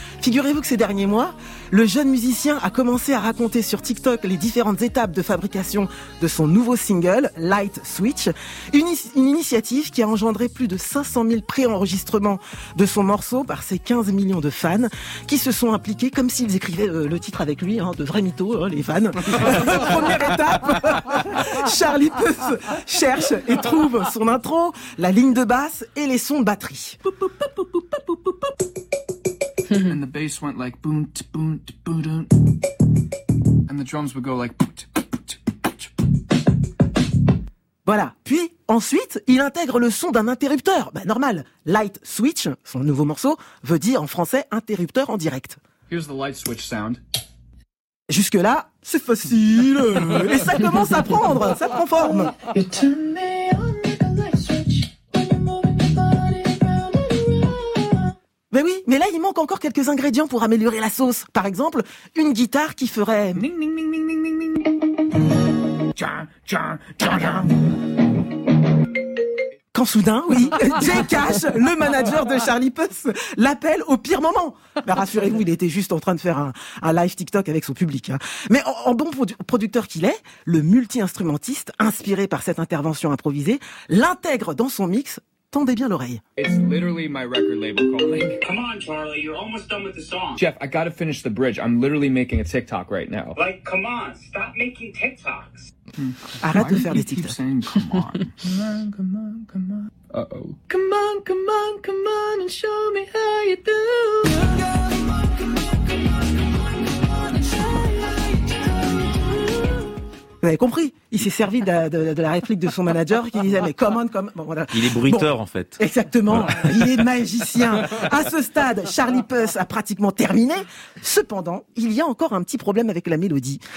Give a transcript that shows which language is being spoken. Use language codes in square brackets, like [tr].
[fr] Figurez-vous que ces derniers mois, le jeune musicien a commencé à raconter sur TikTok les différentes étapes de fabrication de son nouveau single, Light Switch, une initiative qui a engendré plus de 500 000 pré-enregistrements de son morceau par ses 15 millions de fans qui se sont impliqués comme s'ils écrivaient le titre avec lui, hein, de vrais mythos, hein, les fans. Première étape, Charlie Puth cherche et trouve son intro, la ligne de basse et les sons de batterie. [en] And the bass went like boom t boom t boom t, and the drums would go like boom t boom t boom t. [fr] Voilà. Puis ensuite, il intègre le son d'un interrupteur. Bah normal. Light switch, son nouveau morceau, veut dire en français interrupteur en direct. [en] Here's the light switch sound. [fr] Jusque là, c'est facile. Et ça commence à prendre, ça prend forme. Ben oui, mais là, il manque encore quelques ingrédients pour améliorer la sauce. Par exemple, une guitare qui ferait... Quand soudain, oui, Jay Cash, le manager de Charlie Puth, l'appelle au pire moment. Ben rassurez-vous, il était juste en train de faire un live TikTok avec son public. Hein. Mais en bon producteur qu'il est, le multi-instrumentiste, inspiré par cette intervention improvisée, l'intègre dans son mix... Tendez bien l'oreille. [en] It's literally my record label calling. Come on, Charlie, you're almost done with the song. Jeff, I gotta finish the bridge. I'm literally making a TikTok right now. Like, come on, stop making TikToks. [fr] Arrête de faire des TikToks. [en] Come on, come on, come on. Uh-oh. Come on, come on, come on and show me how you do. [fr] Vous avez compris, il s'est servi de la réplique de son manager qui disait « mais [en] come on, come on ». [fr] Voilà. Il est bruiteur, bon, en fait. Exactement, voilà. Il est magicien. À ce stade, Charlie Puth a pratiquement terminé. Cependant, il y a encore un petit problème avec la mélodie.